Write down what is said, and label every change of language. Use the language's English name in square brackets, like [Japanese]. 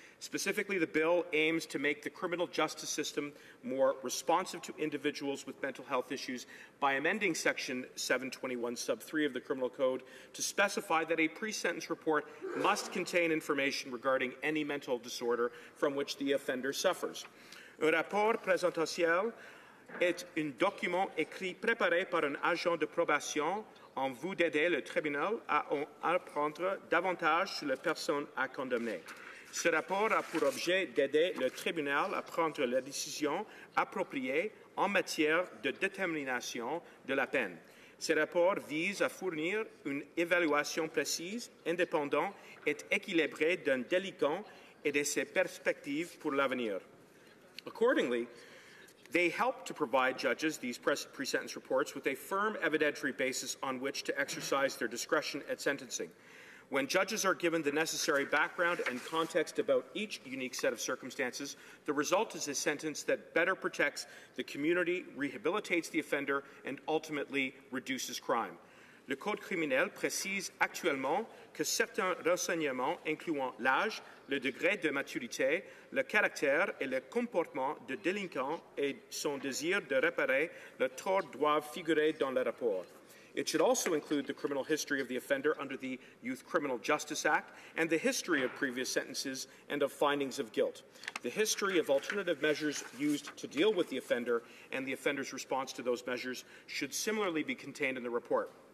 [English] Specifically, the bill aims to make the criminal justice system more responsive to individuals with mental health issues by amending Section 721 sub 3 of the Criminal Code to specify that a pre-sentence report must contain information regarding any mental disorder from which the offender suffers. [French] Un rapport présentiel est un document écrit préparé par un agent de probation en vue d'aider le tribunal à en apprendre davantage sur la personne à condamner. Ce rapport a pour objet d'aider le tribunal à prendre la décision appropriée en matière de détermination de la peine. Ce rapport vise à fournir une évaluation précise, indépendante et équilibrée d'un délinquant et de ses perspectives pour l'avenir. [English] Accordingly, they help to provide judges, these pre-sentence reports, with a firm evidentiary basis on which to exercise their discretion at sentencing. When judges are given the necessary background and context about each unique set of circumstances, the result is a sentence that better protects the community, rehabilitates the offender, and ultimately reduces crime. [French] Le Code criminel précise actuellement que certains renseignements, incluant l'âge, le degré de maturité, le caractère et le comportement de délinquants et son désir de réparer le tort doivent figurer dans le rapport. [English] It should also include the criminal history of the offender under the Youth Criminal Justice Act and the history of previous sentences and of findings of guilt, the history of alternative measures used to deal with the offender, and the offender's response to those measures should similarly be contained in the report.